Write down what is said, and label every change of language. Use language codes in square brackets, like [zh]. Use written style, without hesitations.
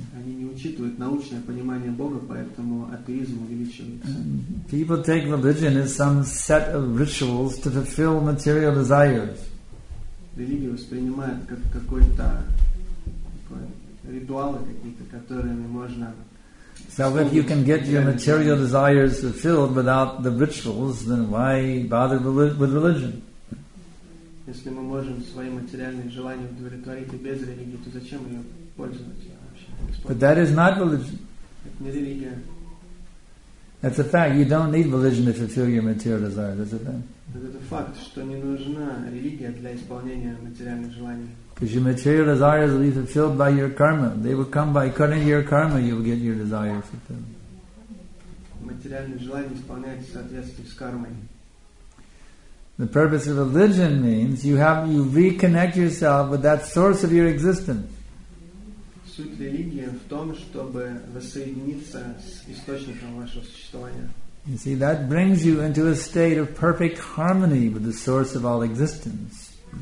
[ru] Они не учитывают научное понимание Бога, поэтому атеизм увеличивается. [en] People take religion as some set of rituals to fulfill material desires. [ru] Религию воспринимают как какой-то ритуалы какие-то, которыми можно. [en] So if you can get your material desires fulfilled without the rituals, then why bother with religion? [ru] Если мы можем свои материальные желания удовлетворить и без религии, то зачем ее пользоваться вообще? [en] But that is not religion. [ru] Это не религия. [en] That's a fact. You don't need religion to fulfill your material desires. That's a fact. [ru] Это факт, что не нужна религия для исполнения материальных желаний. [en] Because your material desires will be fulfilled by your karma. They will come by cutting your karma, you will get your desires fulfilled. [ru] Материальные желания исполняются в соответствии с кармой. [en] The purpose of religion means you reconnect yourself with that source of your existence. [ru] Суть религии в том, чтобы воссоединиться с источником вашего существования. [en] You see, that brings you into a state of perfect harmony with the source of all existence.